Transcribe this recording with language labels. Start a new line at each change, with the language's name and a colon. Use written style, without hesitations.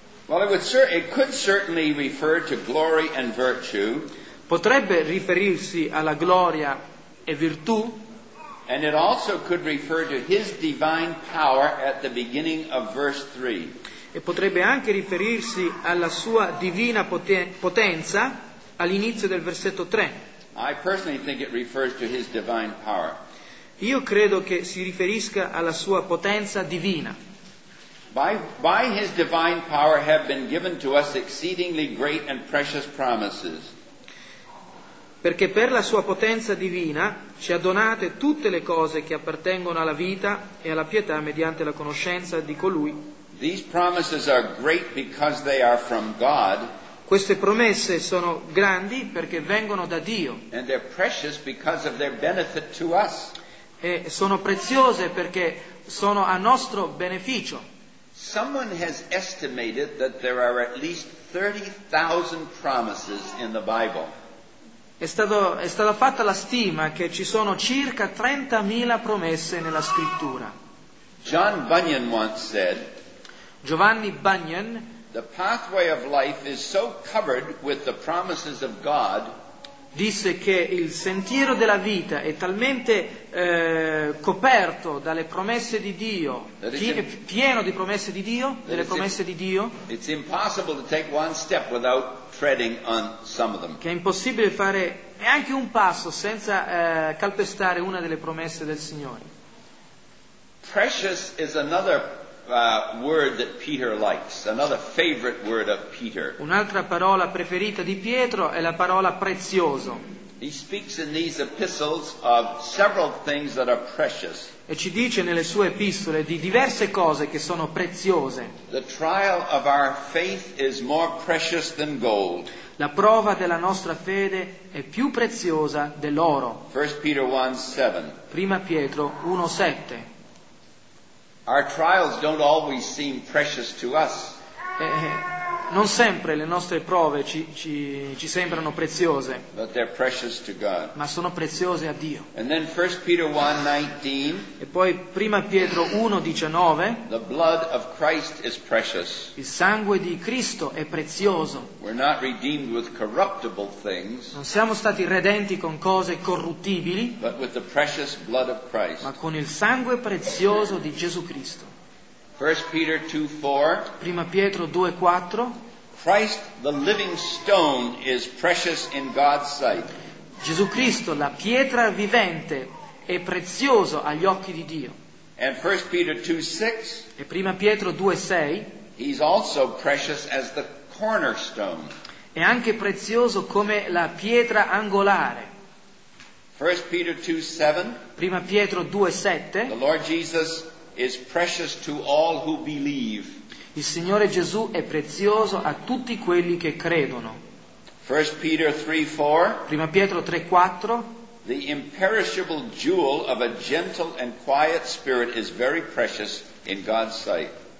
English: Well, it could certainly refer to glory and virtue.
Italian: Potrebbe riferirsi alla gloria e virtù.
English: And it also could refer to his divine power at the beginning of verse 3.
Italian: E potrebbe anche riferirsi alla sua divina potenza all'inizio del versetto 3.
English: I personally think it refers to his divine power.
Italian: Io credo che si riferisca alla sua potenza divina.
English: By his divine power have been given to us exceedingly great and precious promises.
Italian: Perché per la sua potenza divina ci ha donate tutte le cose che appartengono alla vita e alla pietà mediante la conoscenza di colui
English: These promises are great because they are from God.
Italian: Queste promesse sono grandi perché vengono da Dio.
English: And they're precious because of their benefit to us.
Italian: E sono preziose perché sono a nostro beneficio.
English: Someone has estimated that there are at least 30,000 promises in the Bible.
Italian: È stata fatta la stima che ci sono circa 30,000 promesse nella scrittura.
English: John Bunyan once said,
Italian: Giovanni Bunyan,
English: the pathway of life is so covered with the promises of God,
Italian: disse che il sentiero della vita è talmente coperto dalle promesse di Dio, pieno di promesse di Dio, delle promesse di Dio,
English: it's impossible to take one step without treading on some of them.
Italian: Che è impossibile fare neanche un passo senza calpestare una delle promesse del Signore.
English: Precious is another word that Peter likes, another favorite word of Peter.
Italian: Un'altra parola preferita di Pietro è la parola prezioso.
English: He speaks in these epistles of several things that are precious.
Italian: E ci dice nelle sue epistole di diverse cose che sono preziose.
English: The trial of our faith is more precious than gold.
Italian: La prova della nostra fede è più preziosa dell'oro.
English: 1 Peter 1:7.
Italian: Prima Pietro 1:7.
English: Our trials don't always seem precious to us.
Italian: Non sempre le nostre prove ci sembrano preziose.
English: But they're precious to God.
Italian: Ma sono preziose a Dio.
English: And then 1 Peter 1:19.
Italian: E poi Prima Pietro 1:19.
English: The blood of Christ is precious.
Italian: Il sangue di Cristo è prezioso.
English: We're not redeemed with corruptible things.
Italian: Non siamo stati redenti con cose corruttibili.
English: But with the precious blood of Christ.
Italian: Ma con il sangue prezioso di Gesù Cristo.
English: 1 Peter 2:4.
Italian: Prima Pietro 2:4.
English: Christ, the living stone, is precious in God's sight.
Italian: Gesù Cristo, la pietra vivente, è prezioso agli occhi di Dio.
English: And 1 Peter 2:6.
Italian: E Prima Pietro 2:6.
English: He's also precious as the cornerstone.
Italian: È anche prezioso come la pietra angolare.
English: 1 Peter 2:7.
Italian: Prima Pietro 2:7.
English: The Lord Jesus is precious to all who believe.
Italian: Il Signore Gesù è prezioso a tutti quelli che credono.
English: 1 Peter 3:4.
Italian: Prima Pietro 3:4.
English: The imperishable jewel of a gentle and quiet spirit is very precious in God's sight.